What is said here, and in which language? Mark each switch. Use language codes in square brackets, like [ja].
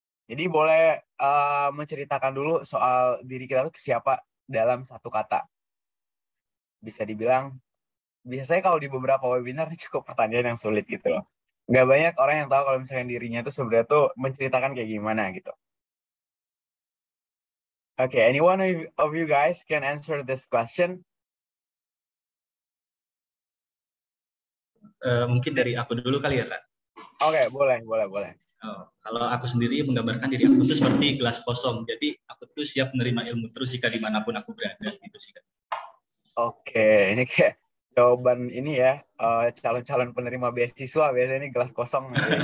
[id] Jadi boleh menceritakan dulu soal diri kita itu siapa dalam satu kata. Bisa dibilang, biasanya kalau di beberapa webinar cukup pertanyaan yang sulit gitu loh. Gak banyak orang yang tahu kalau misalnya dirinya tuh sebenarnya tuh menceritakan kayak gimana gitu. [en] Okay, anyone of you guys can answer this question? [id] Mungkin dari aku dulu kali ya, Kak? Okay, boleh. Kalau aku sendiri menggambarkan diri aku tuh seperti gelas kosong. Jadi aku tuh siap menerima ilmu terus jika dimanapun aku berada gitu sih, Kak. Oke, ini kayak jawaban ini ya, calon-calon penerima beasiswa biasanya ini gelas kosong.